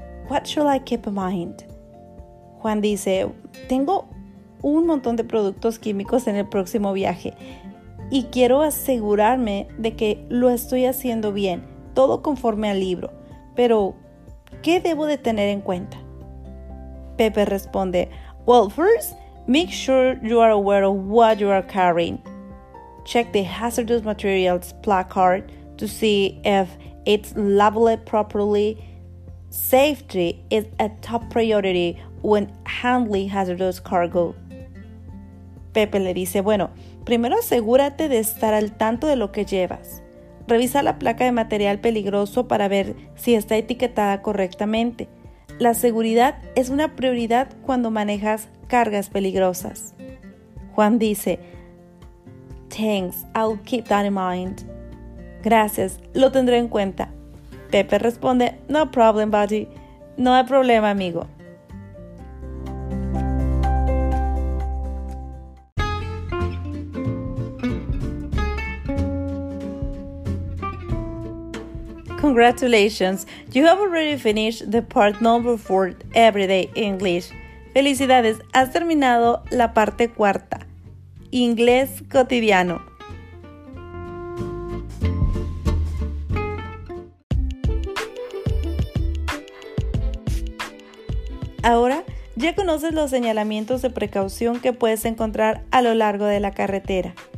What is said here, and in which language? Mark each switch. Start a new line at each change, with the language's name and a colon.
English: What should I keep in mind?"
Spanish: Juan dice, "Tengo un montón de productos químicos en el próximo viaje y quiero asegurarme de que lo estoy haciendo bien, todo conforme al libro, pero ¿qué debo de tener en cuenta?" Pepe responde,
English: "Well, first, make sure you are aware of what you are carrying. Check the hazardous materials placard to see if it's labeled properly. Safety is a top priority when handling hazardous cargo."
Spanish: Pepe le dice, "Bueno, primero asegúrate de estar al tanto de lo que llevas. Revisa la placa de material peligroso para ver si está etiquetada correctamente. La seguridad es una prioridad cuando manejas cargas peligrosas." Juan dice,
English: "Thanks, I'll keep that in mind."
Spanish: "Gracias, lo tendré en cuenta." Pepe responde,
English: "No problem, buddy."
Spanish: No hay problema, amigo.
English: Congratulations, you have already finished the part number 4, Everyday English.
Spanish: Felicidades, has terminado la parte cuarta, Inglés cotidiano. Ahora, Ya conoces los señalamientos de precaución que puedes encontrar a lo largo de la carretera.